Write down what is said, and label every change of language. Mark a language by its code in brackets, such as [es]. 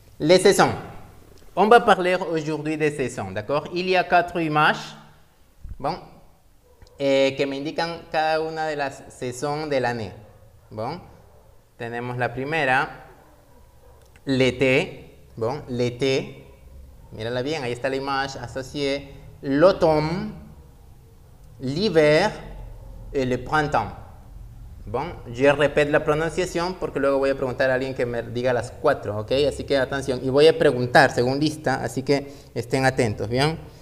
[fr] Les saisons. On va parler aujourd'hui des saisons, d'accord? Il y a quatre images, bon, [es] que me indican cada una de las [fr] saisons de l'année. [es] Bon, tenemos la primera, l'été. [fr] Bon, l'été. [es] Mírala bien, ahí está la [fr] image associée. L'automne, l'hiver et le printemps. Bon, je répète [es] la pronunciación porque luego voy a preguntar a alguien que me diga las cuatro, ¿ok? Así que atención, y voy a preguntar según lista, así que estén atentos, ¿bien?